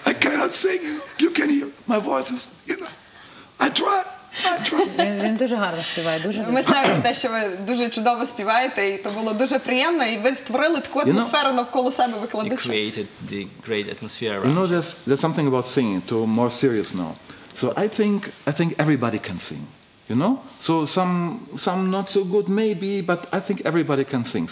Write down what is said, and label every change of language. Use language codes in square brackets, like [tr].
[en] I cannot sing, you can hear my voice, I try. [uk] Він дуже гарно співає, дуже. Ми знаємо те, що ви дуже чудово співаєте, і то було дуже приємно, і ви створили таку атмосферу, [en] you know, [uk] навколо себе викладача. [en] You created the great atmosphere around. You know, there's something about singing, to more serious now. So I think everybody can sing, you know? So some not so good maybe, but I think everybody can sing.